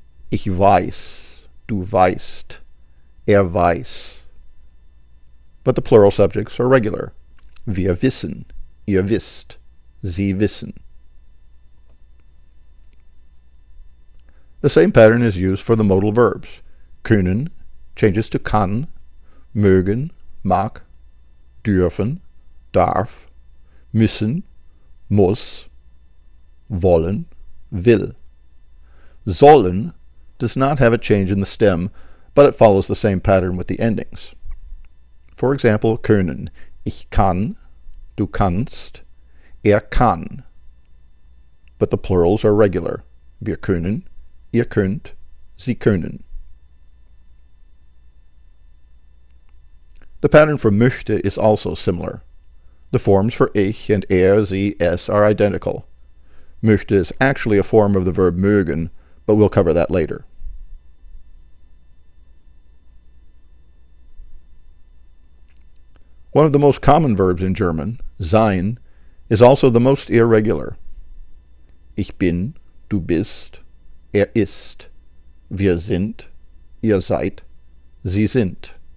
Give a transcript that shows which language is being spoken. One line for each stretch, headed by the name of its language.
German: Ich weiß, du weißt, weiß.
English: But the plural subjects are regular.
German: Wir wissen, wisst, sie wissen.
English: The same pattern is used for the modal verbs. Können changes to kann, mögen, mag, dürfen, darf, müssen, muss, wollen, will. Sollen does not have a change in the stem, but it follows the same pattern with the endings. For example, können,
German: ich kann, du kannst, kann.
English: But the plurals are regular.
German: Wir können, könnt, sie können.
English: The pattern for möchte is also similar. The forms for ich and sie, es are identical. Möchte is actually a form of the verb mögen, but we'll cover that later. One of the most common verbs in German, sein, is also the most irregular.
German: Ich bin, du bist, ist, wir sind, ihr seid, sie sind.